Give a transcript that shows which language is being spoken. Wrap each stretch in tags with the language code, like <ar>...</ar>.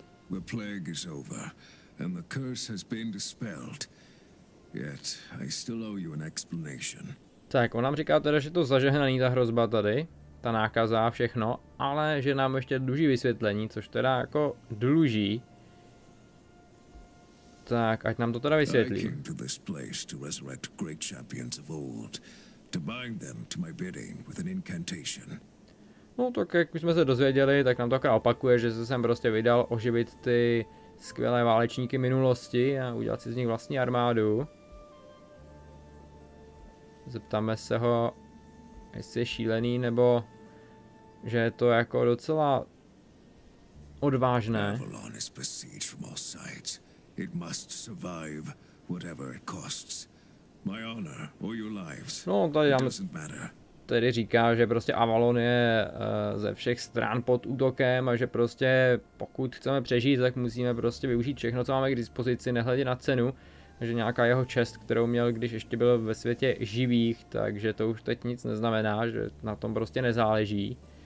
<en>The plague is over, and the curse has been dispelled. Yet I still owe you an explanation.</en> <cs>Tak, on nám říká teda, že to zažehnaný ta hrozba tady, ta nákaza a všechno, ale že nám ještě dluží vysvětlení, což teda jako dluží. Tak, ať nám to teda vysvětlí.</cs> <en>I came to this place to resurrect great champions of old, to bind them to my bidding with an incantation.</en> <cs>No tak jak jsme se dozvěděli, tak nám to akorát opakuje, že se sem prostě vydal oživit ty skvělé válečníky minulosti a udělat si z nich vlastní armádu. Zeptáme se ho, jestli je šílený, nebo že je to jako docela odvážné.</cs> <en>Avalon is besieged from all sides. It must survive whatever it costs. My honor or your lives.</en> <cs>No, tady jam... Tedy říká, že prostě Avalon je ze všech stran pod útokem a že prostě pokud chceme přežít, tak musíme prostě využít všechno, co máme k dispozici, nehledě na cenu. Že nějaká jeho čest, kterou měl, když ještě byl ve světě živých, takže to už teď nic neznamená, že na tom prostě nezáleží.</cs>